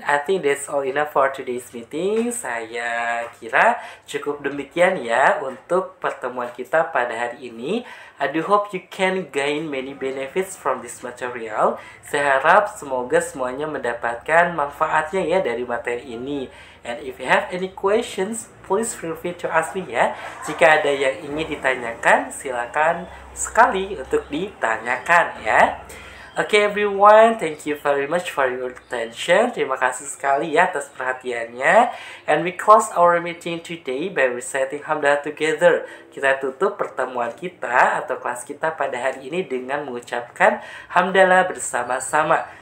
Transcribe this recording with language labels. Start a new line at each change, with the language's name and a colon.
English: I think that's all enough for today's meeting.
Indonesian: Saya kira cukup demikian ya untuk pertemuan kita pada hari ini.
English: I do hope you can gain many benefits from this material.
Indonesian: Saya harap semoga semuanya mendapatkan manfaatnya ya dari materi ini.
English: And if you have any questions, please feel free to ask me ya.
Indonesian: Jika ada yang ingin ditanyakan, silakan sekali untuk ditanyakan ya.
English: Okay, everyone, thank you very much for your attention.
Indonesian: Terima kasih sekali ya atas perhatiannya.
English: And we close our meeting today by reciting Hamdalah together.
Indonesian: Kita tutup pertemuan kita atau kelas kita pada hari ini dengan mengucapkan Hamdalah bersama-sama.